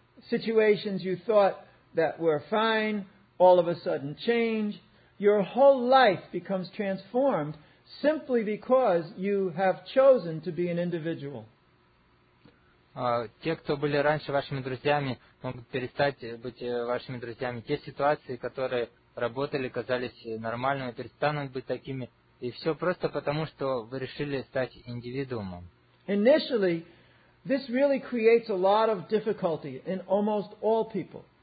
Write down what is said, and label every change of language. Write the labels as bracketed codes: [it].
[en] Situations you thought that were fine all of a sudden change. Your whole life becomes transformed simply because you have chosen to be an individual. [ru] Те, кто были раньше вашими друзьями, могут перестать быть вашими друзьями. Те ситуации, которые работали, казались нормальными, перестанут быть такими. И все просто потому, что вы решили стать индивидуумом. [en] Initially, this really creates a lot of difficulty in almost all people.